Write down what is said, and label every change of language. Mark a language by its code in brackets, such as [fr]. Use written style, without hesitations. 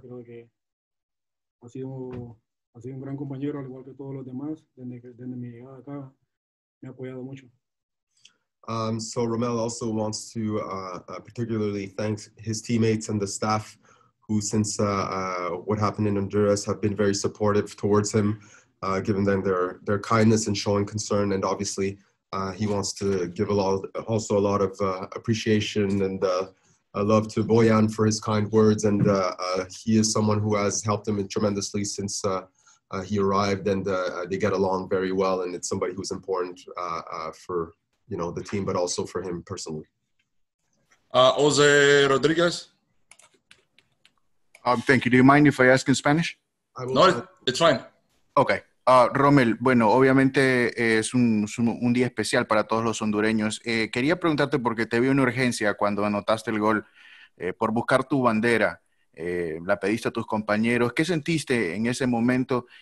[es] Creo que ha sido un gran compañero, al igual que todos los demás, desde mi llegada acá. Me ha apoyado mucho. [en] So Romell also wants to particularly thank his teammates and the staff who, since what happened in Honduras, have been very supportive towards him, giving them their kindness and showing concern. And obviously, he wants to give a lot of appreciation and love to Bojan for his kind words. And he is someone who has helped him tremendously since he arrived, and they get along very well. And it's somebody who's important for, you know, the team, but also for him personally. Jose Rodriguez. Thank you. Do you mind if I ask in Spanish? No, it's fine. Okay. [es] Romell, bueno, obviamente es un día especial para todos los hondureños. Quería preguntarte, porque te vi una urgencia cuando anotaste el gol, por buscar tu bandera. La pediste a tus compañeros. ¿Qué sentiste en ese momento?